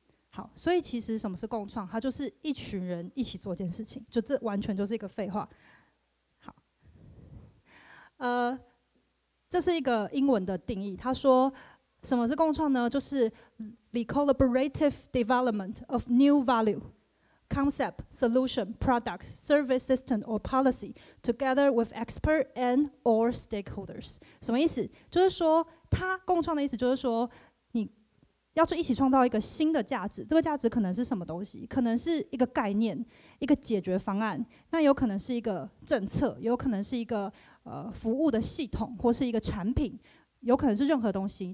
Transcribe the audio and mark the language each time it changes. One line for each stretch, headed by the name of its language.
Chinese: 好，所以其实什么是共创，它就是一群人一起做一件事情，就这完全就是一个废话。好，这是一个英文的定义，他说什么是共创呢？就是
English: the collaborative development of new value， concept, solution, product, service system or policy together with expert and or stakeholders.
Chinese: 什么意思？就是说，它共创的意思就是说，你要去一起创造一个新的价值。这个价值可能是什么东西？可能是一个概念，一个解决方案。那有可能是一个政策，有可能是一个服务的系统，或是一个产品，有可能是任何东西。